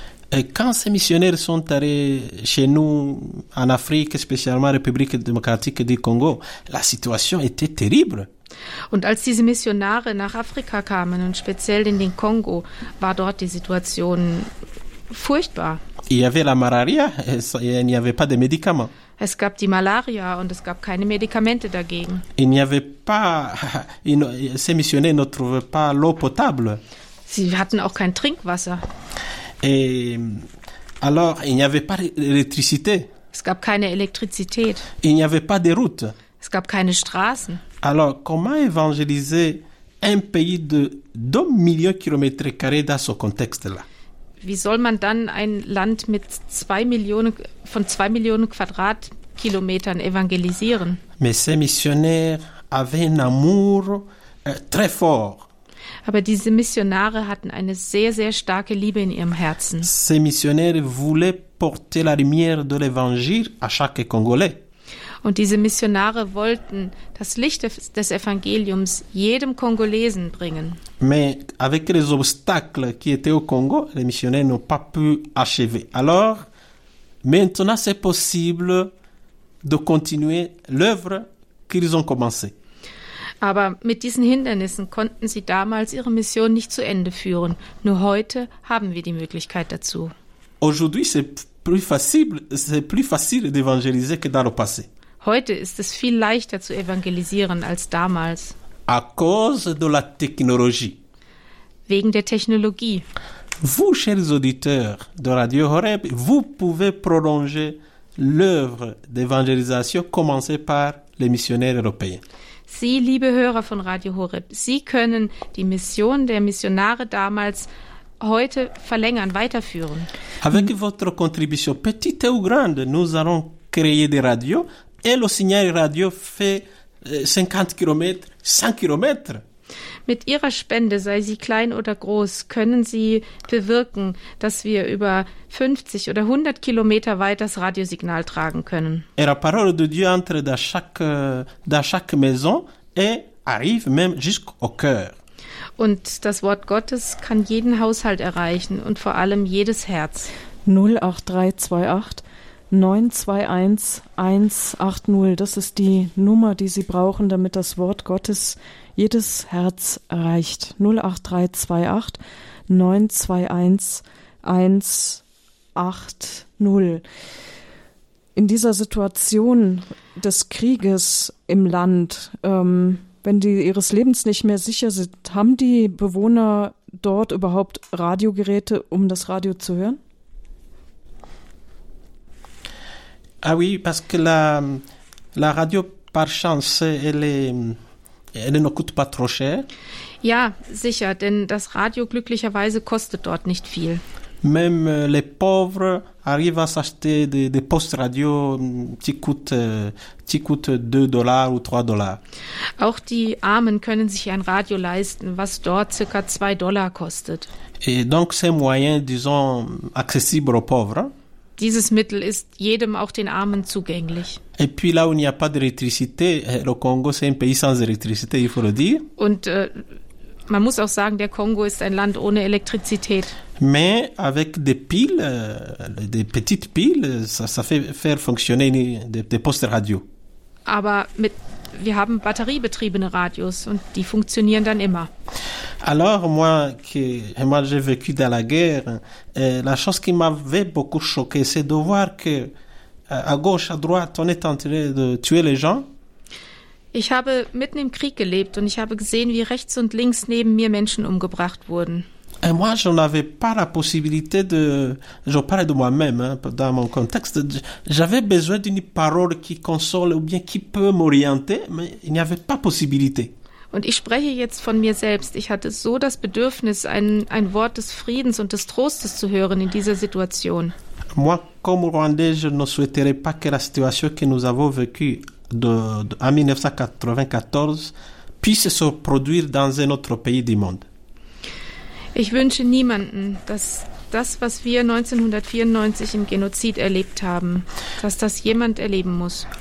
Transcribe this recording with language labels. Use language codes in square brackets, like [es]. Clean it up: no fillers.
[fr] Et quand ces missionnaires sont arrivés chez nous en Afrique, spécialement République démocratique du Congo, la situation était terrible. [de] Und als diese Missionare nach Afrika kamen und speziell in den Kongo, war dort die Situation furchtbar. [fr] Il y avait la malaria, il n'y avait pas de médicaments. [de] Es gab die Malaria und es gab keine Medikamente dagegen. [fr] Il n'y avait pas, ces missionnaires ne trouvaient pas l'eau potable. [de] Sie hatten auch kein Trinkwasser. [fr] Et alors, il n'y avait pas d'électricité. [de] Es gab keine Elektrizität. [fr] Il n'y avait pas de route. [de] Es gab keine Straßen. [fr] Alors, comment évangéliser un pays de 2 millions de kilomètres carrés dans ce contexte-là? [de] Wie soll man dann ein Land mit zwei Millionen Quadratkilometern evangelisieren? [fr] Mais ces missionnaires avaient un amour très fort. [de] Aber diese Missionare hatten eine sehr, sehr starke Liebe in ihrem Herzen. [fr] Ces missionnaires voulaient porter la lumière de l'évangile à chaque Congolais. [de] Und diese Missionare wollten das Licht des Evangeliums jedem Kongolesen bringen. [fr] Mais avec les obstacles qui étaient au Congo, les missionnaires n'ont pas pu achever. Alors, maintenant c'est possible de continuer l'œuvre qu'ils ont commencée. [de] Aber mit diesen Hindernissen konnten sie damals ihre Mission nicht zu Ende führen. Nur heute haben wir die Möglichkeit dazu. [fr] Aujourd'hui, c'est plus facile d'évangéliser que dans le passé. [de] Heute ist es viel leichter zu evangelisieren als damals. [fr] À cause de la technologie. [de] Wegen der Technologie. [fr] Vous, chers auditeurs de Radio Horeb, vous pouvez prolonger l'œuvre d'évangélisation commencée par les missionnaires européens. [de] Sie, liebe Hörer von Radio Horeb, Sie können die Mission der Missionare damals heute verlängern, weiterführen. [fr] Avec votre contribution, petite ou grande, nous allons créer des radios. Et le signal radio fait 50 km, 100 km. [de] Mit Ihrer Spende, sei sie klein oder groß, können Sie bewirken, dass wir über 50 oder 100 Kilometer weit das Radiosignal tragen können. [fr] Et la parole de Dieu entre dans chaque maison et arrive même jusqu'au cœur. [de] Und das Wort Gottes kann jeden Haushalt erreichen und vor allem jedes Herz. 08328 921180, das ist die Nummer, die Sie brauchen, damit das Wort Gottes jedes Herz erreicht. 08328 921180. In dieser Situation des Krieges im Land, wenn die ihres Lebens nicht mehr sicher sind, haben die Bewohner dort überhaupt Radiogeräte, um das Radio zu hören? [fr] Ah oui, parce que la radio, par chance, elle est Elle ne coûte pas trop cher? [de] Ja, sicher, denn das Radio glücklicherweise kostet dort nicht viel. [fr] Même les pauvres arrivent à s'acheter des postes radio qui coûtent 2 dollars ou 3 dollars. [de] Auch die Armen können sich ein Radio leisten, was dort ca. 2 Dollar kostet. [fr] Et donc c'est moyen, disons, accessible aux pauvres. [de] Dieses Mittel ist jedem, auch den Armen, zugänglich. [fr] Et puis là où il n'y a pas d'électricité, le Congo c'est un pays sans électricité, il faut le dire. [de] Und man muss auch sagen, der Kongo ist ein Land ohne Elektrizität. [fr] Mais avec des piles, des petites piles, ça fait faire fonctionner des postes radio. [de] Aber wir haben batteriebetriebene Radios und die funktionieren dann immer. [fr] Alors moi j'ai vécu dans la guerre, la chose qui m'avait beaucoup choqué, c'est de voir que à gauche, à droite, on est en train de tuer les gens. [de] Ich habe mitten im Krieg gelebt und ich habe gesehen, wie rechts und links neben mir Menschen umgebracht wurden. [fr] Et moi, je n'avais pas la possibilité de... Je parlais de moi-même, hein, dans mon contexte. J'avais besoin d'une parole qui console ou bien qui peut m'orienter, mais il n'y avait pas possibilité. [de] Und ich spreche jetzt von mir selbst. Ich hatte so das Bedürfnis, ein Wort des Friedens und des Trostes zu hören in dieser Situation. [fr] Moi, comme Rwandais, je ne souhaiterais pas que la situation que nous avons vécue en 1994 puisse se produire dans un autre pays du monde. [de] Ich wünsche niemanden, dass das, was wir 1994 im Genozid erlebt haben, dass das jemand erleben muss.